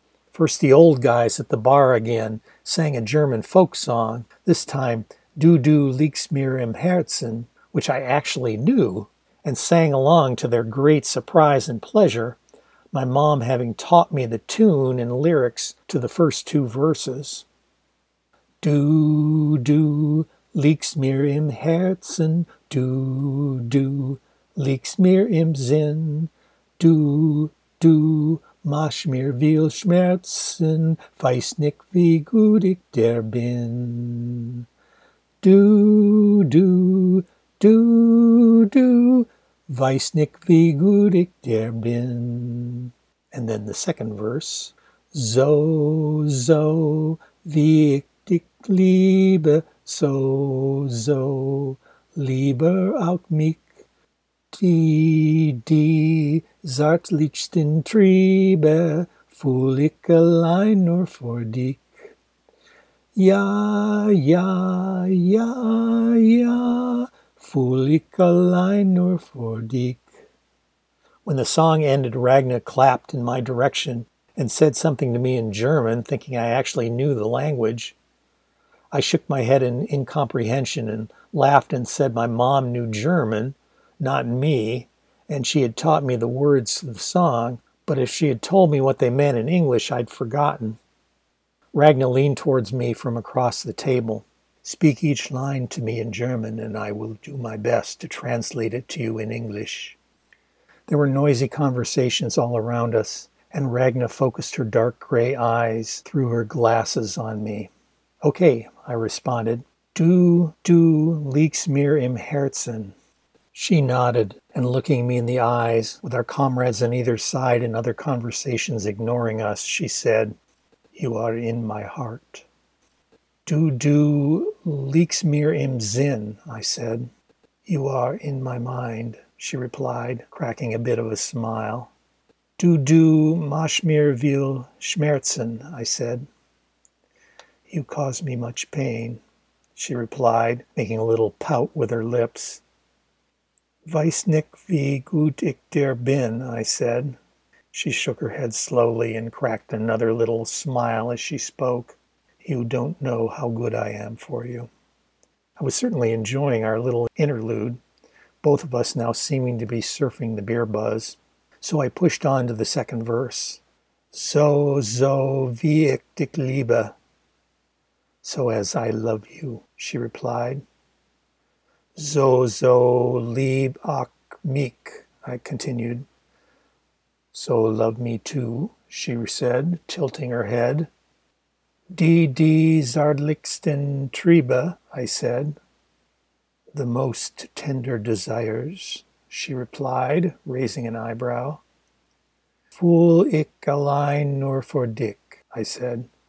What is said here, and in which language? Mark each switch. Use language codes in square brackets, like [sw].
[en] First the old guys at the bar again sang a German folk song, this time Du, du liegst mir im Herzen, which I actually knew, and sang along to their great surprise and pleasure, my mom having taught me the tune and lyrics to the first two verses. [de] Du, du liegst mir im Herzen, du, du liegst mir im Sinn, du, du mach mir viel Schmerzen, weiß nicht wie gut ich der bin. Du, du, du, du, weiß nicht wie gut ich der bin. [en] And then the second verse. [de] So, so, wie ich dich liebe, so, so, lieber auch mich. Die, die zartlichsten Triebe fühl ich allein nur vor dich. Ja, ja, ja, ja, fühl ich allein nur vor dich. [en] When the song ended, Ragna clapped in my direction and said something to me in German, thinking I actually knew the language. I shook my head in incomprehension and laughed and said my mom knew German, not me, and she had taught me the words of the song, but if she had told me what they meant in English, I'd forgotten. Ragna leaned towards me from across the table. Speak each line to me in German, and I will do my best to translate it to you in English. There were noisy conversations all around us, and Ragna focused her dark gray eyes through her glasses on me. Okay, I responded. [de] Du, du liegst mir im Herzen. [en] She nodded, and looking me in the eyes, with our comrades on either side and other conversations ignoring us, she said, You are in my heart. [de] Du, du liegst mir im Sinn, [en] I said. You are in my mind, she replied, cracking a bit of a smile. [de] Du, du machst mir viel Schmerzen, [en] I said. You cause me much pain, she replied, making a little pout with her lips. [de] Weiß nicht wie gut ich dir bin, [en] I said. She shook her head slowly and cracked another little smile as she spoke. You don't know how good I am for you. I was certainly enjoying our little interlude, both of us now seeming to be surfing the beer buzz. So I pushed on to the second verse. [de] So, so, wie ich dich liebe. [en] So as I love you, she replied. [de] So, so, lieb auch mich, [en] I continued. So love me too, she said, tilting her head. [de] Die, die zartlichsten Triebe, [en] I said. The most tender desires, she replied, raising an eyebrow. [de] Fühl ich allein nur vor dich, [en] I said.